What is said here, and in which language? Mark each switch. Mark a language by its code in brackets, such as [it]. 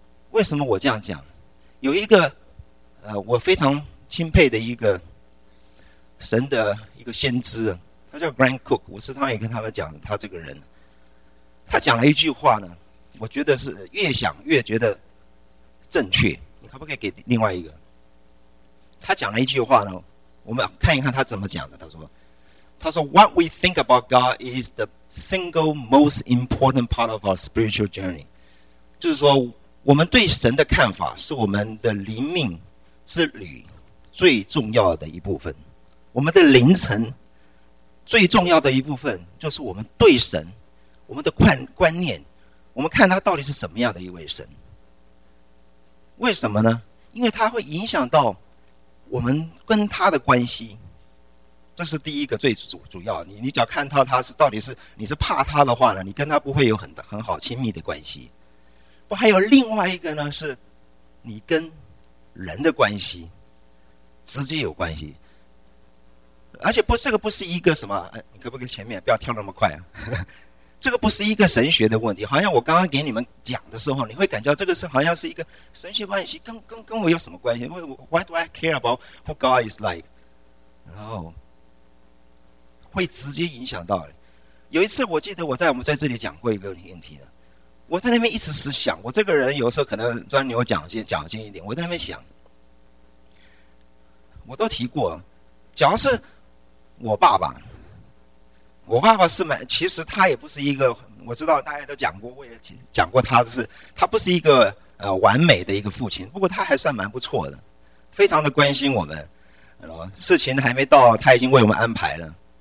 [zh] 为什么我这样讲？有一个我非常钦佩的一个神的一个先知，他叫 Grant Cook， 我时常也跟他们讲他这个人。他讲了一句话呢，我觉得是越想越觉得正确。你可不可以给另外一个？他讲了一句话呢，我们看一看他怎么讲的。他说 [en] What we think about God is the single most important part of our spiritual journey。 [zh] 就是说我们对神的看法是我们的灵命之旅最重要的一部分，我们的灵程最重要的一部分就是我们对神我们的观念，我们看他到底是什么样的一位神。为什么呢？因为他会影响到我们跟他的关系，这是第一个最主要。你只要看到他是到底是你是怕他的话呢，你跟他不会有很好亲密的关系。不，还有另外一个呢，是你跟人的关系直接有关系。而且这个不是一个什么，你可不可以前面不要跳那么快啊？这个不是一个神学的问题。好像我刚刚给你们讲的时候，你会感觉这个是好像是一个神学关系，跟我有什么关系？ [en] Why do I care about who God is like？ [zh] 然后会直接影响到。有一次我记得我在我们在这里讲过一个问题的，我在那边一直想，我这个人有时候可能钻牛角尖，角尖一点，我在那边想，我都提过，假如是我爸爸，我爸爸是蛮，其实他也不是一个，我知道大家都讲过，我也讲过，他是他不是一个完美的一个父亲，不过他还算蛮不错的，非常的关心我们，事情还没到他已经为我们安排了。